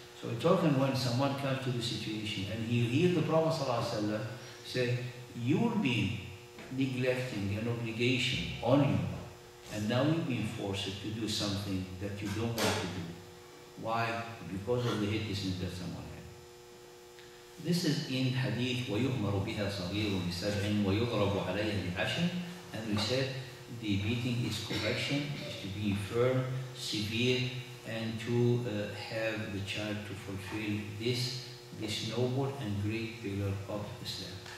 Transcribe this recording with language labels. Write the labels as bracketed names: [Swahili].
[English] So we're talking when someone comes to the situation and he hears the Prophet sallallahu say, you'll be neglecting an obligation on you, and now you've been forced to do something that you don't want to do. Why? Because of the hatred that someone had. This is in hadith, [Arabic] وَيُؤْمَرُ بِهَا صَغِيرٌ لِسَبْعٍ وَيُضْرَبُ عَلَيْهِ لِعَشْرٍ. [English] And we said, the beating is correction, is to be firm, severe, and to have the child to fulfill this noble and great pillar of Islam.